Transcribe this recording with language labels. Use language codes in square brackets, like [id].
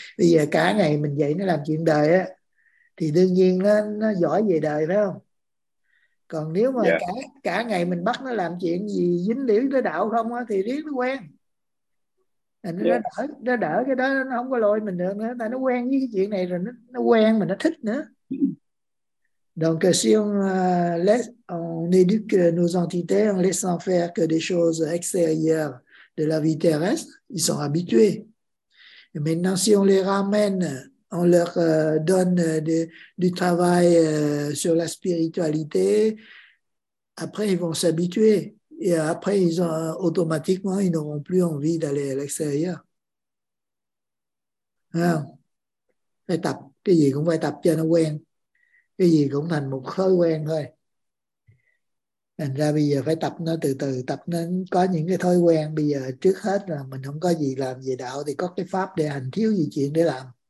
[vi] Bây giờ cả ngày mình dạy nó làm chuyện đời á thì đương nhiên nó giỏi về đời phải không? Còn nếu mà Dạ. cả ngày mình bắt nó làm chuyện gì dính liễu tới đạo không á thì riết nó quen. Dạ. Nó đỡ cái đó, nó không có lôi mình được nữa, tại nó quen với cái chuyện này rồi, nó quen mà nó thích nữa. [fr] Donc si on laisse, on éduque nos entités en laissant faire que des choses extérieures de la vie terrestre, ils sont habitués. Et maintenant, si on les ramène, on leur donne du travail sur la spiritualité, après ils vont s'habituer et après ils ont, automatiquement ils n'auront plus envie d'aller à l'extérieur. [vi] Phải tập, cái gì cũng phải tập cho nó quen. Cái gì cũng thành một thói quen thôi. Thành ra bây giờ phải tập nó từ từ, tập nó có những cái thói quen. Bây giờ trước hết là mình không có gì làm về đạo thì có cái pháp để hành, thiếu gì chuyện để làm.